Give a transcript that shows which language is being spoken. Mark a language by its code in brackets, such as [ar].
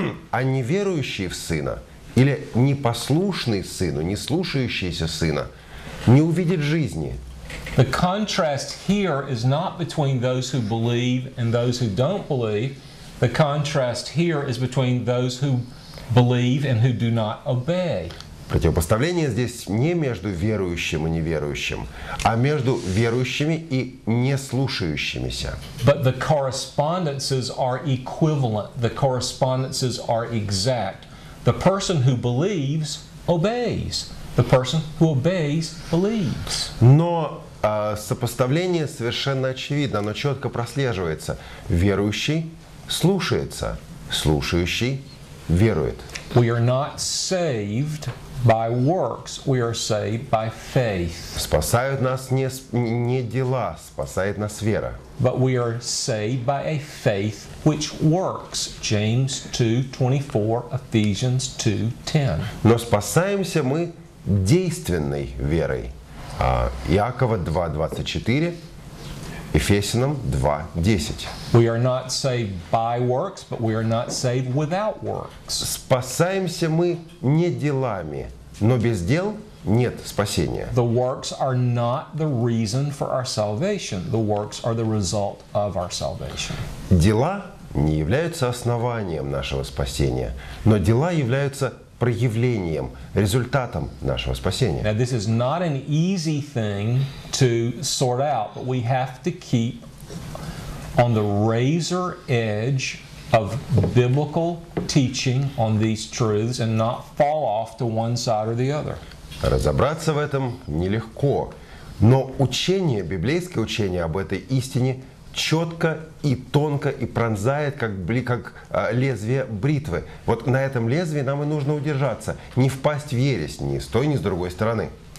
[ru] А неверующий в Сына, или непослушный Сыну, не слушающийся Сына, не увидит жизни. [en] The contrast here is not between those who believe and those who don't believe. The contrast here is between those who believe and who do not obey. [ru] Противопоставление здесь не между верующим и неверующим, а между верующими и неслушающимися. [en] But the correspondences are equivalent. The correspondences are exact. The person who believes obeys. The person who obeys believes. [ru] Но сопоставление совершенно очевидно, оно четко прослеживается. Верующий слушается, слушающий верует. [en] We are not saved by works, we are saved by faith. [ru] Спасают нас не дела, спасает нас вера. [en] But we are saved by a faith which works. James 2:24, Ephesians 2:10. [ru] Но спасаемся мы действенной верой. Иакова 2:24. Ефесянам 2:10. [en] We are not saved by works, but we are not saved without works. [ru] Спасаемся мы не делами, но без дел нет спасения. [en] The works are not the reason for our salvation. The works are the result of our salvation. [ru] Дела не являются основанием нашего спасения, но дела являются проявлением, результатом нашего спасения. [en] Now, this is not an easy thing to sort out, but we have to keep on the razor edge of biblical teaching on these truths and not fall off to one side or the other. [ru] Разобраться в этом нелегко, но учение, библейское учение об этой истине четко и тонко и пронзает, как лезвие бритвы. Вот на этом лезвии нам и нужно удержаться, не впасть в ересь ни с той, ни с другой стороны.